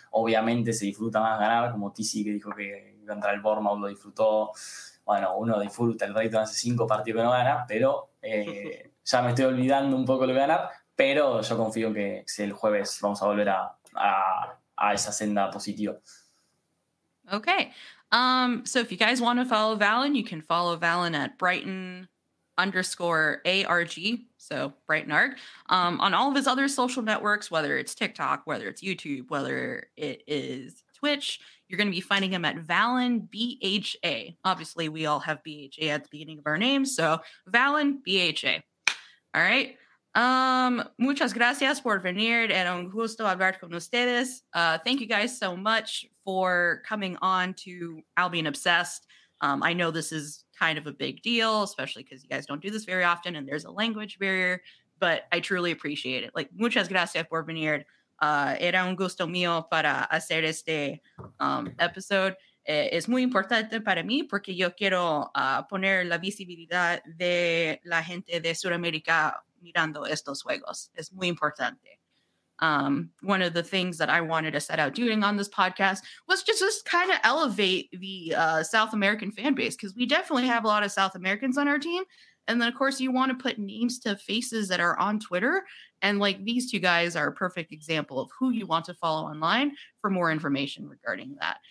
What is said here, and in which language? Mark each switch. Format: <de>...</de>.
<es>Obviamente se disfruta más ganar, como Tizzy que dijo que contra el Bournemouth lo disfrutó. Bueno, uno disfruta, el Brighton hace 5 partidos que no gana, pero ya me estoy olvidando un poco lo que ganar. Pero yo confío en que si el jueves vamos a volver a esa senda positiva.</es> <en>Okay. So if you guys want to follow Valen, you can follow Valen at Brighton_ARG. So Brighton Arg. On all of his other social networks, whether it's TikTok, whether it's YouTube, whether it is Twitch, you're going to be finding him at Valen BHA. Obviously, we all have BHA at the beginning of our names. So Valen BHA. All right.</en> <es>Muchas gracias por venir. Era un gusto hablar con ustedes.</es> <en>Thank you guys so much for coming on to Albion Obsessed. I know this is kind of a big deal, especially because you guys don't do this very often and there's a language barrier, but I truly appreciate it. Like,</en> <es>muchas gracias por venir. Era un gusto mío para hacer este episode. Es muy importante para mí porque yo quiero poner la visibilidad de la gente de Sudamérica mirando estos juegos. Es muy importante.</es> <en>One of the things that I wanted to set out doing on this podcast was just kind of elevate the South American fan base, because we definitely have a lot of South Americans on our team. And then, of course, you want to put names to faces that are on Twitter. And like, these two guys are a perfect example of who you want to follow online for more information regarding that.</en>